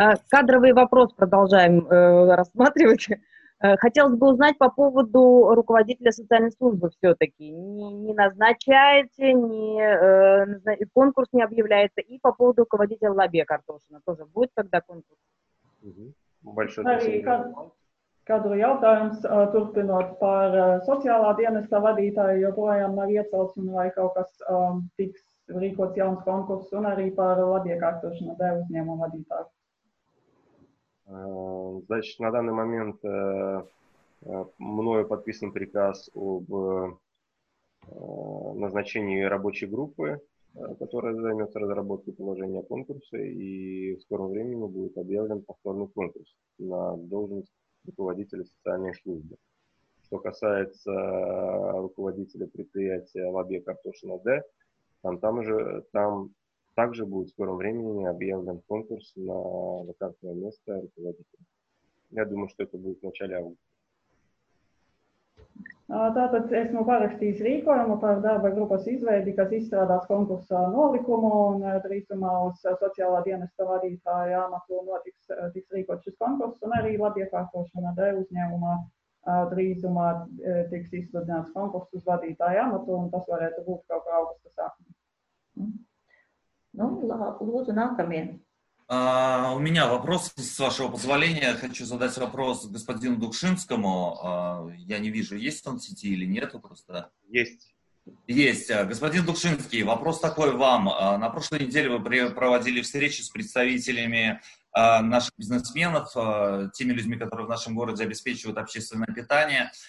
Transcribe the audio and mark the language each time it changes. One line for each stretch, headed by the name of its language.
Russian: Кадровый вопрос продолжаем рассматривать. Хотелось бы узнать по поводу руководителя социальной службы все-таки. Не назначаете, не конкурс не объявляется. И по поводу руководителя Лабе Картошина тоже будет тогда конкурс? Большое спасибо.
Latvian: Kadru jautājums turpinot par sociālā dienesta vadītāju, jo projām nav iecels un vai kaut kas tiks rīkots jauns konkurss un arī par labiekārtošanu D uzņēmumu vadītāju.
Russian: Значит, на данный момент мною подписан приказ об назначении рабочей группы, которая займется разработкой положения конкурса, и в скором времени будет объявлен повторный конкурс на должность руководителя социальной службы. Что касается руководителя предприятия Лабе Картошина Д, там также будет в скором времени объявлен конкурс на вакантное место руководителя. Я думаю, что это будет в начале августа.
Latvian: Tātad esmu parakstījis rīkojumu par darba grupas izveidi, kas izstrādās konkursa nolikumu un drīzumā uz sociālā dienesta vadītāja amatu notiks tiks rīkot šis konkurss un arī labiekārtošana D uzņēmumā drīzumā tiks izsludināts konkurss uz vadītāja amatu un tas varētu būt kaut kā augusta sākumā. Nu, lūdzu nākamie.
Russian: У меня вопрос, с вашего позволения, я хочу задать вопрос господину Дукшинскому. Я не вижу, есть он в сети или нету просто. Есть. Есть. Господин Дукшинский, вопрос такой вам. На прошлой неделе вы проводили встречи с представителями наших бизнесменов, теми людьми, которые в нашем городе обеспечивают общественное питание.